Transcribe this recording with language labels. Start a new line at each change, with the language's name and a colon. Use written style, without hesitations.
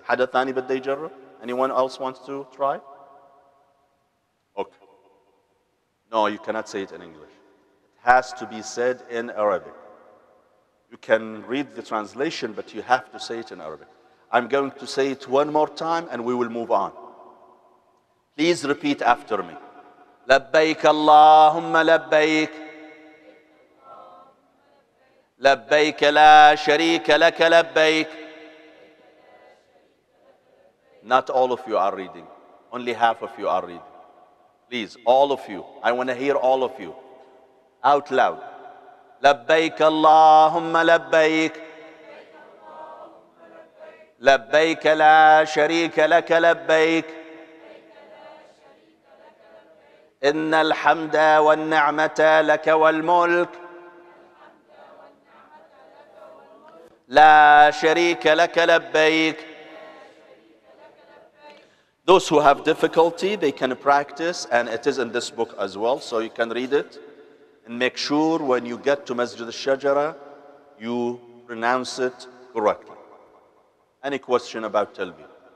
Arabic: حدا ثاني بده يجرب؟
English: Anyone else wants to try? Okay. No, you cannot say it in English. It has to be said in Arabic. You can read the translation, but you have to say it in Arabic. I'm going to say it one more time, and we will move on. Please repeat after me.
Arabic: لبيك اللهم لبيك لبيك لا شريك لك لبيك.
English: Not all of you are reading. Only half of you are reading. Please, all of you. I want to hear all of you. Out loud.
Arabic: لبيك اللهم لبيك لبيك لا شريك لك لبيك إن الحمد والنعمة لك والملك لا شريك لك لبيك.
English: Those who have difficulty, they can practice, and it is in this book as well, so you can read it. And make sure when you get to Masjid al-Shajara, you pronounce it correctly. Any question about Talbiyah?